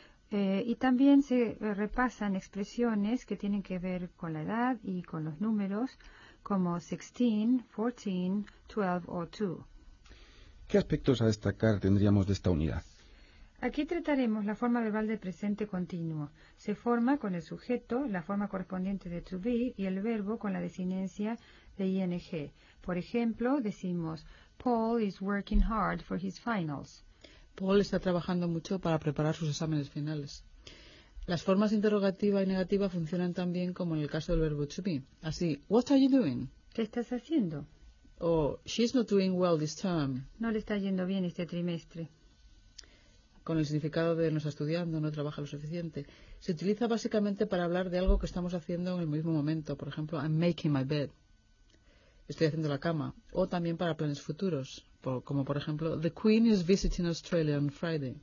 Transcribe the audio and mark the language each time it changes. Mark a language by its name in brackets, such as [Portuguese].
[Spanish] Y también se repasan expresiones que tienen que ver con la edad y con los números, como 16, 14, 12 o 2. ¿Qué aspectos a destacar tendríamos de esta unidad? Aquí trataremos la forma verbal del presente continuo. Se forma con el sujeto, la forma correspondiente de to be, y el verbo con la desinencia de ing. Por ejemplo, decimos, [English] Paul is working hard for his finals. [Spanish] Paul está trabajando mucho para preparar sus exámenes finales. Las formas interrogativa y negativa funcionan también como en el caso del verbo to be. Así, [English] what are you doing? [Spanish] ¿Qué estás haciendo? [English] O, she's not doing well this term. [Spanish] No le está yendo bien este trimestre. Con el significado de no está estudiando, no trabaja lo suficiente. Se utiliza básicamente para hablar de algo que estamos haciendo en el mismo momento. Por ejemplo, [English] I'm making my bed. [Spanish] Estoy haciendo la cama. O también para planes futuros. Como por ejemplo, [English] the queen is visiting Australia on Friday.